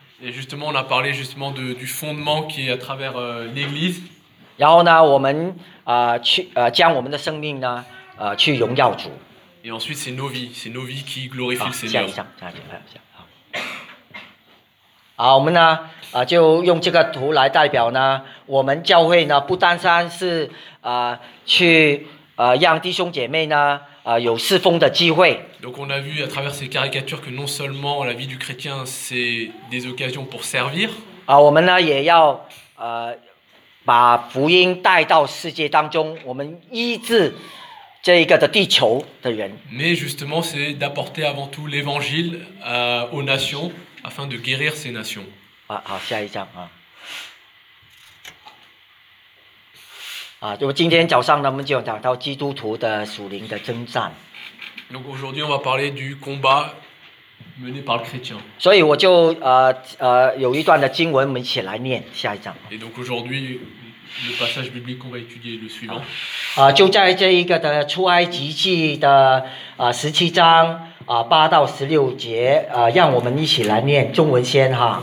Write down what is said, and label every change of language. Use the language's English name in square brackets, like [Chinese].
[French] Et justement, on a parlé justement du fondement qui est à travers l'Église. [Chinese] 然后呢，我们将我们的生命呢去荣耀主。 [French] Et ensuite, c'est nos vies qui glorifient le Seigneur. [Chinese] 下一章，下一章，下一章。我们呢就用这个图来代表呢，我们教会呢不单单是去让弟兄姐妹呢有侍奉的机会。 [French] Donc on a vu à travers ces caricatures que non seulement la vie du chrétien c'est des occasions pour servir. [Chinese] 我们呢也要把福音带到世界当中，我们医治这一个的地球的人。 [French] Mais justement c'est d'apporter avant tout l'évangile aux nations. Afin de guérir ces nations. [Chinese] 好，下一章啊。就今天早上呢，我们就讲到基督徒的属灵的征战。 [French] Donc aujourd'hui, on va parler du combat mené par le chrétien. [Chinese] 所以我就有一段的经文，我们一起来念下一章。 [French] Et donc aujourd'hui, le passage biblique qu'on va étudier est le suivant. [Chinese] 就在这一个的出埃及记的十七章。八到十六节让我们一起来念中文先哈。